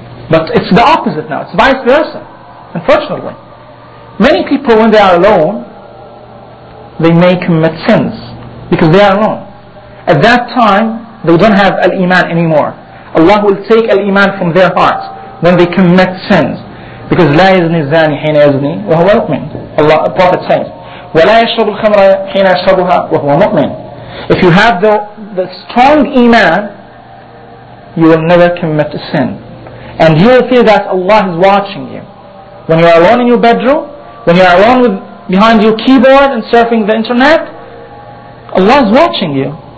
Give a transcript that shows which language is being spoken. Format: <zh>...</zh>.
<en>But it's the opposite now. It's vice versa, unfortunately. Many people, when they are alone, they may commit sins because they are alone. At that time, they don't have al-Iman anymore. Allah will take al-Iman from their hearts when they commit sins.</en> <ar>Because لا يزني الزاني حين يزني وهو مؤمن.</ar> <en>Allah, the Prophet says,</en> <ar>ولا يشرب الخمر حين يشربها وهو مؤمن.</ar> <en>If you have the strong Iman, you will never commit a sin. And you will feel that Allah is watching you. When you are alone in your bedroom, when you are alone with, behind your keyboard and surfing the internet, Allah is watching you.</en>